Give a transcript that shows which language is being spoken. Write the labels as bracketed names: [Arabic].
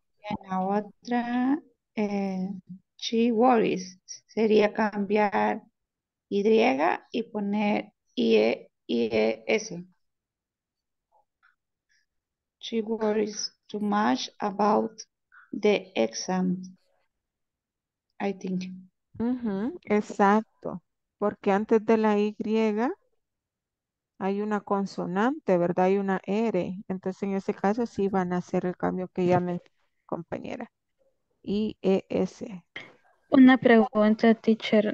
[Spanish] En la otra, [English] she worries, [Spanish] sería cambiar y poner IES. [English] She worries too much about the exam, I think. [Spanish] Exacto, porque antes de la Y hay una consonante, ¿verdad? Hay una R, entonces en ese caso sí van a hacer el cambio que ya me compañera. IES. Una pregunta, teacher.